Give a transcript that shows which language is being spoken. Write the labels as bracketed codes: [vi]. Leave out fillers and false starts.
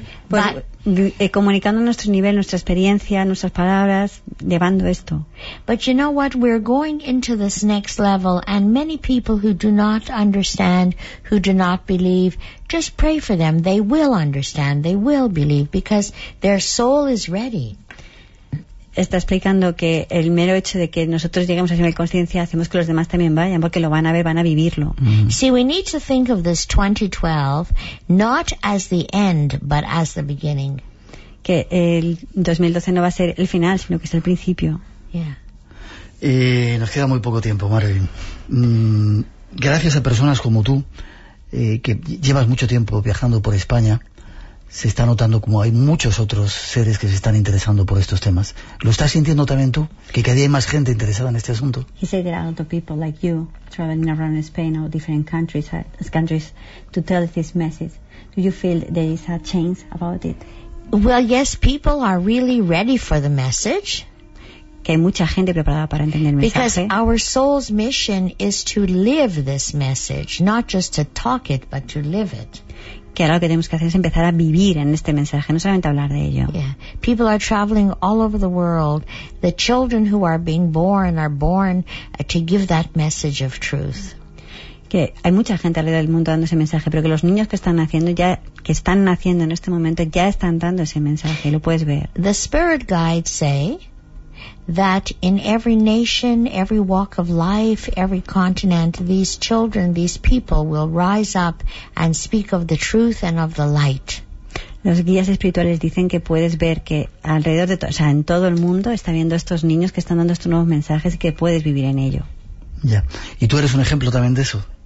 [es] Comunicando nuestro nivel, nuestra experiencia, nuestras palabras, llevando esto. [en] But you know what? We're going into this next level, and many people who do not understand, who do not believe, just pray for them. They will understand, they will believe, because their soul is ready. [es] Está explicando que el mero hecho de que nosotros lleguemos a nivel consciencia hacemos que los demás también vayan porque lo van a ver, van a vivirlo. [en] See, we need to think of this 2012 not as the end but as the beginning. [es] Que el 2012 no va a ser el final sino que es el principio. [en] Yeah. [es] Nos queda muy poco tiempo, Marilyn. Gracias a personas como tú que llevas mucho tiempo viajando por España. Se está notando como hay muchos otros seres que se están interesando por estos temas. ¿Lo estás sintiendo también tú? Que cada día hay más gente interesada en este asunto. [en] He said there are a lot of people like you traveling around Spain or different countries to tell this message. Do you feel there is a change about it? Well, yes, people are really ready for the message. [es] Que hay mucha gente preparada para entender el mensaje. [en] Because our soul's mission is to live this message, not just to talk it, but to live it. [es] Que ahora lo que tenemos que hacer es empezar a vivir en este mensaje, no solamente hablar de ello. [en] Yeah. People are traveling all over the world. The children who are being born are born to give that message of truth. [es] Que hay mucha gente alrededor del mundo dando ese mensaje, pero que los niños que están naciendo ya, que están naciendo en este momento, ya están dando ese mensaje, y lo puedes ver. [en] The spirit guides say that in every nation, every walk of life, every continent, these children, these people will rise up and speak of the truth and of the light. [es] Los guías espirituales dicen que puedes ver que alrededor de en todo el mundo está viendo estos niños que están dando estos nuevos mensajes y que puedes vivir en ello. Ya. Y tú eres un ejemplo también de eso.